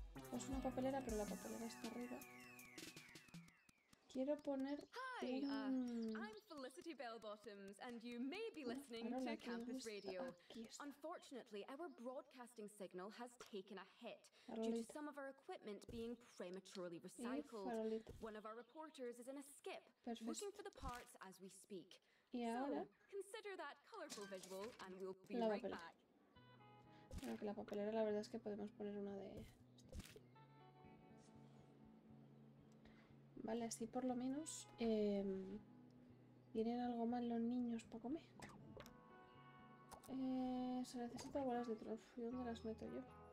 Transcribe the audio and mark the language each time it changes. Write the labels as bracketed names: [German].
[Spanish] Pues una papelera, pero la papelera está arriba. Quiero poner. [English] I'm Felicity Bellbottoms, and you may be listening to Campus Radio. Unfortunately, our broadcasting signal has taken a hit due to some of our equipment being prematurely recycled. One of our reporters is in a skip, looking for the parts as we speak. So, consider that colorful visual, and we'll be right back. [Spanish] Bueno, que la papelera, la verdad es que podemos poner una de ellas. Vale, así por lo menos tienen algo mal los niños para comer. Se necesitan bolas de trufa. ¿Dónde las meto yo?